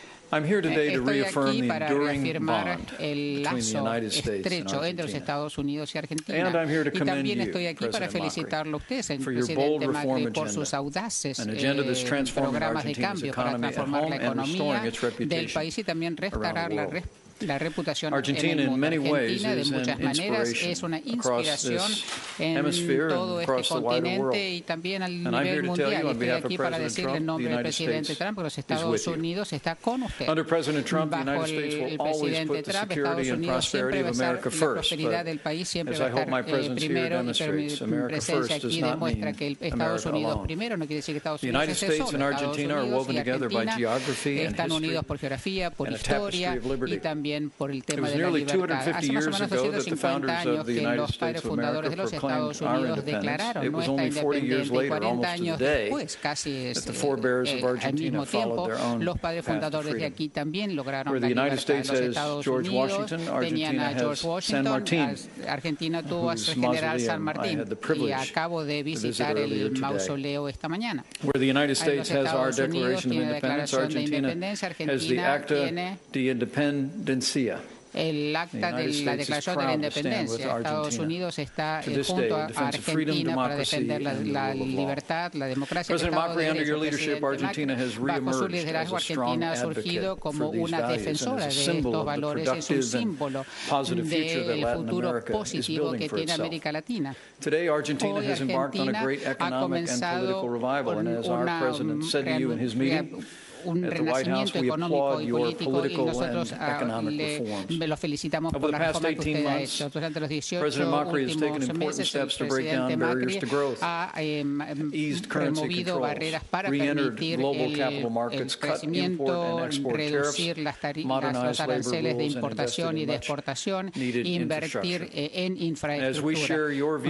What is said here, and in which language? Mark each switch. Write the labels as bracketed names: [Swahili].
[English] I'm here today to reaffirm the enduring bond between the United States and Argentina. And I'm here to commend you, President Macri, for your bold reform agenda, an agenda that's transforming Argentina's economy at home and restoring its reputation around the world. [Spanish] La reputación Argentina, en el mundo. Argentina, de muchas maneras, es una inspiración en todo este continente y también al nivel mundial. [English] You, [Spanish] estoy aquí para decirle en nombre del presidente Trump que los Estados Unidos está con usted. [English] Under President Trump, [Spanish] bajo el presidente Trump, Estados Unidos siempre va a ser la prosperidad del país, siempre va a estar primero, pero mi presencia aquí demuestra que Estados Unidos primero no quiere decir que Estados Unidos es solo. Estados Unidos y Argentina están unidos por geografía, por historia y también por el tema de la libertad. Hace más o menos 150 años que los padres fundadores de los Estados Unidos declararon nuestra independencia, y 40 años después, casi al mismo tiempo, los padres fundadores de aquí también lograron la libertad. Los Estados Unidos tenían a George Washington, Argentina tuvo a su general San Martín, y acabo de visitar el mausoleo esta mañana. [English] Where the United States has our Declaration of Independence, Argentina has the Acta de Independencia. [Spanish] El acta de la Declaración de la Independencia. Estados Unidos está junto a Argentina para defender la libertad, la democracia. [English] President Macri, under your leadership, Argentina has reemerged as a strong advocate for these values and as a symbol of the productive and positive future that Latin America is building for itself. Today, Argentina has embarked on a great economic and political revival, and as our president said to you in his meeting. [Spanish] Un renacimiento económico y político y nosotros lo felicitamos por la reforma que usted ha hecho. Durante los 18 meses, el presidente Macri ha removido barreras para permitir el crecimiento, reducir los aranceles de importación y de exportación, invertir en infraestructura.